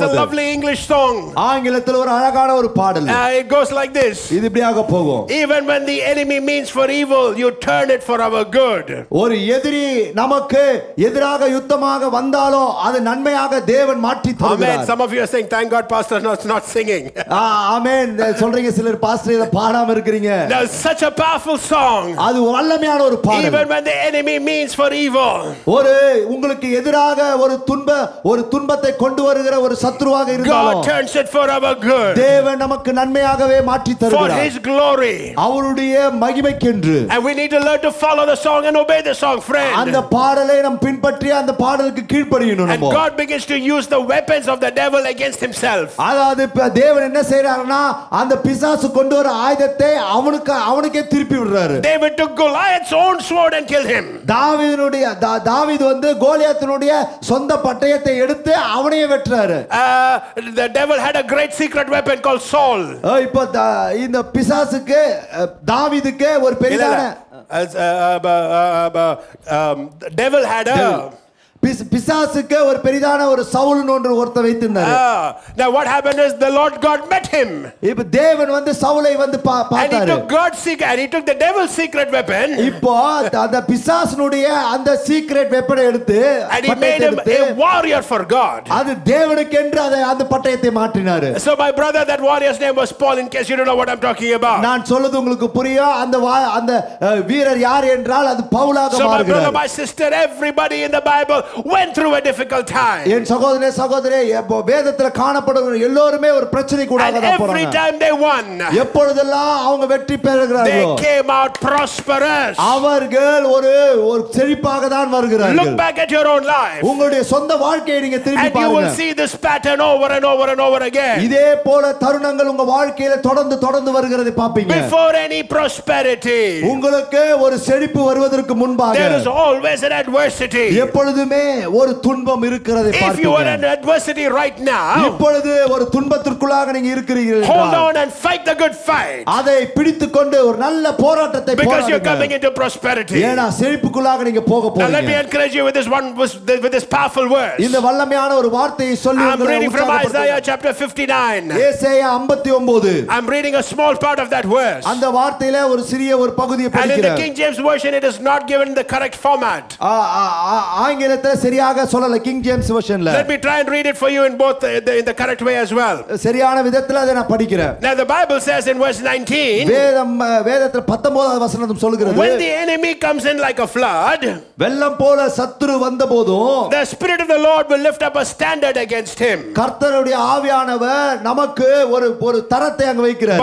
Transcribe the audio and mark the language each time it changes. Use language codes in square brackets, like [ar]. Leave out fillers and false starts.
[en] there is a lovely english song [ta] ஆங்கிலத்தில் ஒரு அழகான ஒரு பாடல் [en] it goes like this [ta] இது இப்படியாக போகும் [en] even when the enemy means for evil you turn it for our good [ta] ஒரு எதிரி நமக்கு எதிராக யுத்தமாக வந்தாலோ அது நன்மையாக தேவன் மாற்றி தருகிறார் [en] amen some of you are saying thank god pastor no it's not singing [ta] amen சொல்றீங்க சிலர் பாஸ்டர் இத பாடாம இருக்கீங்க [en] that's such a powerful song [ta] அது வல்லமையான ஒரு பாடல் [en] even when the enemy means for evil [ta] ஒரு உங்களுக்கு எதிராக ஒரு துன்பத்தை கொண்டு வருகிற ஒரு சத்ருவாக இருந்தாலும் [en] god turns it for our good [ta] தேவன் நமக்கு நன்மையாகவே மாற்றி தருகிறார் [en] for his glory [ta] அவருடைய மகிமைக்கென்று [en] and we need to learn to follow the song and obey the song friend [ta] அந்த பாடலை நாம் பின்பற்றி அந்த பாடலுக்கு கீழ்ப்படியணும் நம்ம [en] and god begins to use the weapons of the devil against himself [ta] அதாவது தேவன் என்ன செய்றாருனா அந்த பிசாசு கொண்டு வர ஆயுதத்தை அவனுக்கே திருப்பி விடுறாரு [en] david took goliath's own sword and killed him [ta] தாவீதுனுடைய தாவீது வந்து கோலியாத்தினுடைய சொந்த பட்டயத்தை எடுத்து அவனையே வெற்றாரு [en] the devil had a great secret weapon called saul [ta] இப்போ இந்த பிசாசுக்கு தாவீதுக்கு ஒரு பெரியான [en] devil had a [ta] பிசாசுக்கு ஒரு பெரிதான ஒரு சவுலுன்னு ஒருத்த வைத்திருந்தாரு [en] now what happened is the lord god met him [ta] இப்ப தேவன் வந்து சவுலை வந்து பார்த்தாரு [en] and he took god's secret and he took the devil's secret weapon [ta] இப்போ அந்த பிசாசுனுடைய அந்த சீக்ரெட் வெப்பனை எடுத்து [en] and he made him a warrior for god [ta] அது தேவனுக்கென்று அதை அந்த பட்டயத்தை மாற்றினாரு [en] so my brother that warrior's name was paul in case you don't know what i'm talking about [ta] நான் சொல்றது உங்களுக்கு புரியும் அந்த அந்த வீரர் யார் என்றால் அது பவுலாக மாறுகிறார் [en] so my brother my sister everybody in the bible went through a difficult time [ta] என் சகோதரனே சகோதரே இப்போ வேதத்துல காணப்படுற எல்லாரும் ஒரு பிரச்சனை கூடாத தான் போறாங்க [en] every time they won [ta] எப்பொழுதெல்லாம் அவங்க வெற்றி பெறுகிறார்களோ [en] they came out prosperous [ta] அவர்கள் ஒரு செழிப்பாக தான் வருகிறார்கள் [en] look back at your own life [ta] உங்களுடைய சொந்த வாழ்க்கையை நீங்க திரும்பி பாருங்க [en] and you will see this pattern over and over and over again [ta] இதே போல தருணங்கள் உங்க வாழ்க்கையில தொடர்ந்து வருகிறதை பாப்பீங்க [en] before any prosperity [ta] உங்களுக்கு ஒரு செழிப்பு வருவதற்கு முன்பாக [en] there is always an adversity [ta] எப்பொழுதும் ஒரு துன்பம் இருக்கிறதை பார்க்கிறது [en] if you are in adversity right now [ta] இப்பொழுது ஒரு துன்பத்துக்குள்ளாக நீங்க இருக்கிறீர்கள் [en] hold on and fight the good fight [ta] அதை பிடித்துக்கொண்டு ஒரு நல்ல போராட்டத்தை [en] because you're coming into prosperity [ta] ஏனா செழிப்புக்குள்ளாக நீங்க போக போறீங்க [en] let me encourage you with this one with this powerful word [ta] இந்த வல்லமையான ஒரு வார்த்தையை சொல்லி [en] I'm reading from Isaiah chapter 59 [ta] ஏசாயா 59 [en] I'm reading a small part of that verse [ta] அந்த வார்த்தையில ஒரு சிறிய ஒரு பகுதியை படிக்கிறேன் [en] and in the king james version it is not given the correct format [ta] ஆங்கிலத்தில் சரியாக சொல்லல king James வெர்ஷன்ல [en] let me try and read it for you in both in the correct way as well [ta] சரியான விதத்துல அதை நான் படிக்கிறேன் [en] now the bible says in verse 19 [ta] வேதம் வேதத்துல 19வது வசனத்தும் சொல்கிறது [en] when the enemy comes in like a flood [ta] வெள்ளம் போல சத்துரு வந்தபோதும் [en] the spirit of the lord will lift up a standard against him [ta] கர்த்தருடைய ஆவியானவர் நமக்கு ஒரு ஒரு தரத்தை அங்க வைக்கிறார்